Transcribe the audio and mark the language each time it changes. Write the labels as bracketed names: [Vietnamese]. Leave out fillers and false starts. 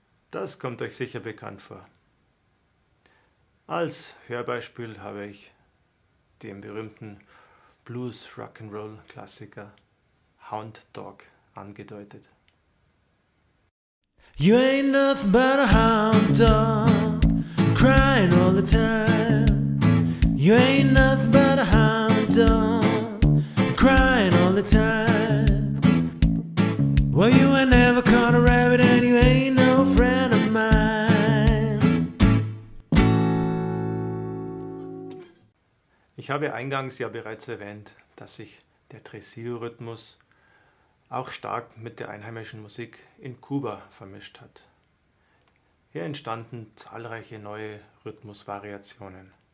[German] Das kommt euch sicher bekannt vor. Als Hörbeispiel habe ich den berühmten Blues-Rock'n'Roll-Klassiker Hound Dog angedeutet. [English] You ain't nothing but a hound dog, crying all the time. You ain't nothing but a hound dog, crying all the time. Well, you ain't never caught a rabbit and you ain't no friend of mine. [German] Ich habe eingangs ja bereits erwähnt, dass sich der Tresillo-Rhythmus auch stark mit der einheimischen Musik in Kuba vermischt hat. Hier entstanden zahlreiche neue Rhythmusvariationen.